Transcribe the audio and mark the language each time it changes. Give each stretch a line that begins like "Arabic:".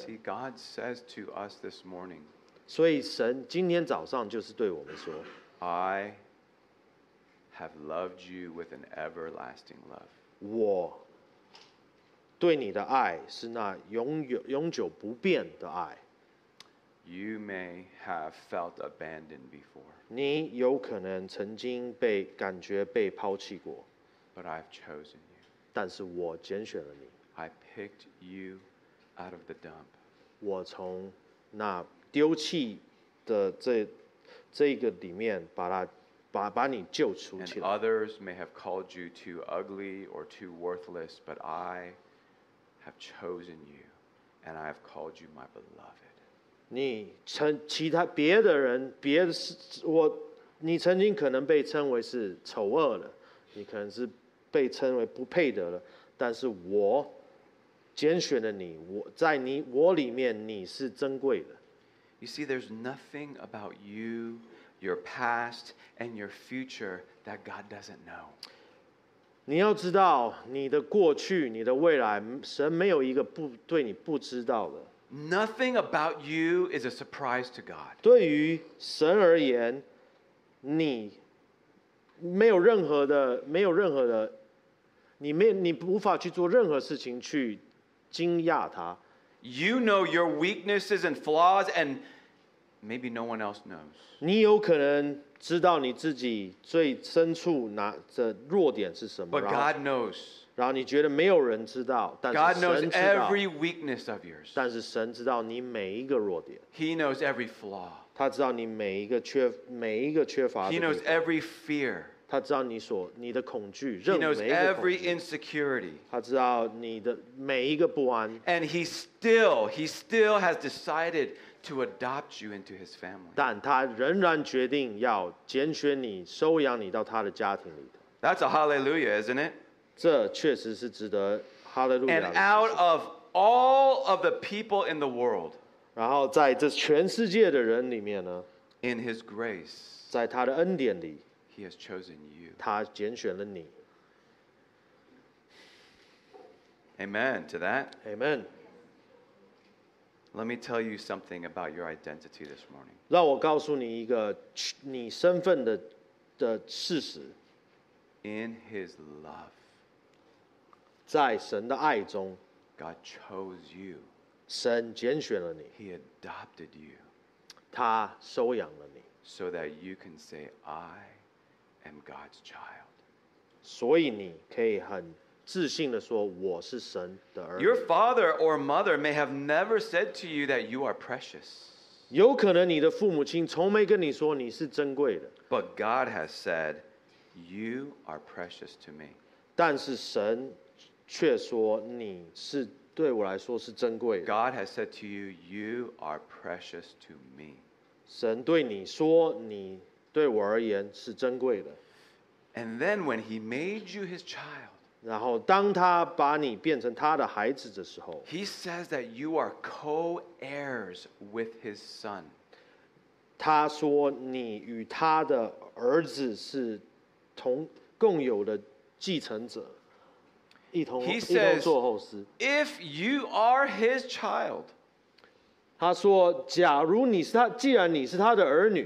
English: See, God says to us this morning.
Chinese: 所以神今天早上就是对我们说
English: ，I have loved you with an everlasting love。
Chinese: 我对你的爱是那永久不变的爱。
English: You may have felt abandoned before。
Chinese: 你有可能曾经被感觉被抛弃过。
English: But I've chosen you。
Chinese: 但是我拣选了你。
English: I picked you out of the dump。
Chinese: 我从那丢弃的这个里面把你救出去了。
English: And others may have called you too ugly or too worthless, but I have chosen you, and I have called you my beloved.
Chinese: 你曾其他别的人别的我你曾经可能被称为是丑恶的，你可能是被称为不配得的，但是我拣选了你，我在你我里面你是珍贵的。
English: You see, there's nothing about you, your past, and your future that God doesn't know.
Chinese: 你要知道，你的过去，你的未来，神没有一个不对你不知道的。
English: Nothing about you is a surprise to God.
Chinese: 对于神而言，你没有任何的，没有任何的，你无法去做任何事情去惊讶他。
English: You know your weaknesses and flaws, and maybe no one else knows.
Chinese: 你有可能知道你自己最深处哪的弱点是什么。
English: But God knows.
Chinese: 然后你觉得没有人知道，但是神知道。
English: God knows every weakness of yours.
Chinese: 但是神知道你每一个弱点。
English: He knows every flaw.
Chinese: 他知道你每一个缺乏。
English: He knows every fear.
Chinese: 他知道你的恐惧。
English: He knows every insecurity.
Chinese: 他知道你的每一个不安。
English: And he still has decided. To adopt you into his family.
Chinese: 但他仍然决定要拣选你，收养你到他的家庭里头。
English: That's a hallelujah, isn't it?
Chinese: 这确实是值得 hallelujah.
English: And out of all of the people in the world.
Chinese: 然后在这全世界的人里面呢，
English: in his grace,
Chinese: 在他的恩典里，
English: he has chosen you.
Chinese: 他拣选了你。
English: Amen to that. Amen. Let me tell you something about your identity this morning.
Chinese: 让我告诉你一个你身份的事实。
English: In his love,
Chinese: 在神的爱中，
English: God chose you.
Chinese: 神拣选了你。
English: He adopted you.
Chinese: 他收养了你。
English: So that you can say, I am God's child.
Chinese: 所以你可以很自信地说，我是神的儿女。
English: Your father or mother may have never said to you that you are precious.
Chinese: 有可能你的父母亲从没跟你说你是珍贵的。
English: But God has said,You are precious to me.
Chinese: 但是神却说你是对我来说是珍贵的。
English: God has said to you, you are precious to me.
Chinese: 神对你说你对我而言是珍贵的。
English: And then when he made you his child,
Chinese: 然后当他把你变成他的孩子的时候，
English: he says that you are co-heirs with his son.
Chinese: 他说你与他的儿子是共有的继承者，一同做后嗣。
English: If you are his child,
Chinese: 他说：“假如你是他，既然你是他的儿女